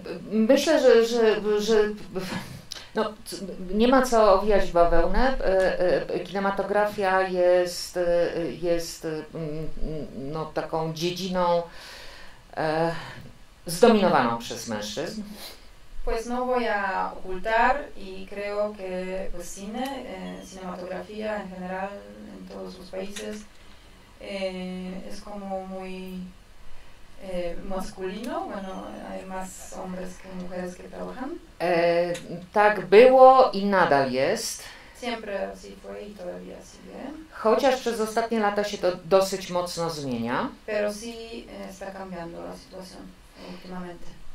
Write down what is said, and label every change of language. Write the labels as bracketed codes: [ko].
[pl] Myślę, że no, nie ma co owijać bawełnę. Kinematografia jest no, taką dziedziną zdominowaną przez mężczyzn. [es] Pues no voy a ocultar y creo que pues, cine, cinematografia en general en todos los países es como muy masculino, bueno, hay más hombres que mujeres que trabajan. [pl] Tak było i nadal jest. [es] Siempre así fue y todavía sigue. [pl] Chociaż przez ostatnie lata się to dosyć mocno zmienia. [es] Pero sí está cambiando la situación últimamente.